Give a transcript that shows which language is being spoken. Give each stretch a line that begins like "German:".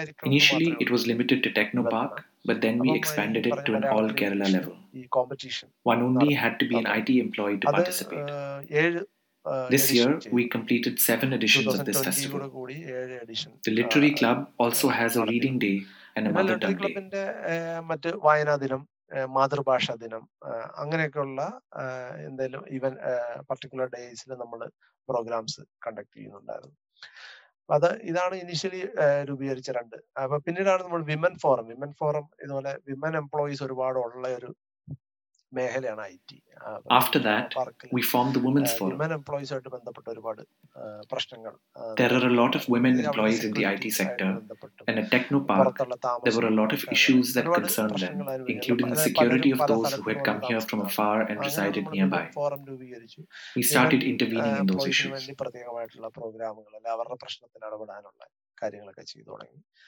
English: Initially, it was limited to Technopark, but then we expanded it to an all Kerala level. One only had to be an IT employee to participate. This year, we completed 7 editions of this festival. The literary club also has a reading day and a mother tongue day.
Malayalam: മാതൃഭാഷാ ദിനം അങ്ങനെയൊക്കെയുള്ള എന്തെങ്കിലും
English: even particular ഡേയ്സിൽ
Malayalam: നമ്മൾ programmes conduct ചെയ്യുന്നുണ്ടായിരുന്നു. അപ്പൊ അത് ഇതാണ് initially രൂപീകരിച്ച രണ്ട്. അപ്പൊ പിന്നീടാണ് നമ്മൾ വിമൻ ഫോറം. വിമൻ ഫോറം ഇതുപോലെ വിമൻ എംപ്ലോയീസ് ഒരുപാട് ഉള്ള ഒരു മേഖലയാണ് I T.
English: After that, we formed the women's forum. Women employees
Malayalam: ആയിട്ട് ബന്ധപ്പെട്ട ഒരുപാട് പ്രശ്നങ്ങൾ.
English: There are a lot of women employees in the IT sector, and at Technopark, there were a lot of issues that concerned them, including the security of those who had come here from afar and resided nearby. We started intervening in those issues.
Malayalam: പ്രത്യേകമായിട്ടുള്ള പ്രോഗ്രാമുകൾ അല്ലെങ്കിൽ അവരുടെ പ്രശ്നത്തിന് ഇടപെടാനുള്ള കാര്യങ്ങളൊക്കെ ചെയ്തു തുടങ്ങി.